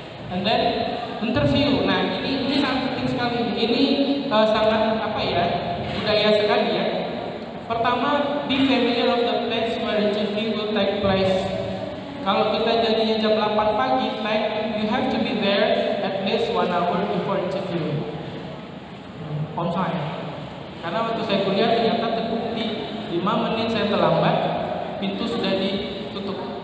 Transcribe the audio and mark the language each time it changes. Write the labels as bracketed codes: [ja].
[id] And then interview, nah ini sangat penting sekali, ini sangat apa ya, budaya sekali ya. [en] Pertama, be familiar of the place where interview will take place. Kalau kita janjinya jam 8 pagi, like you have to be there at least 1 hour before interview on time. [id] Karena waktu saya kuliah ternyata terbukti 5 menit saya terlambat, pintu sudah ditutup.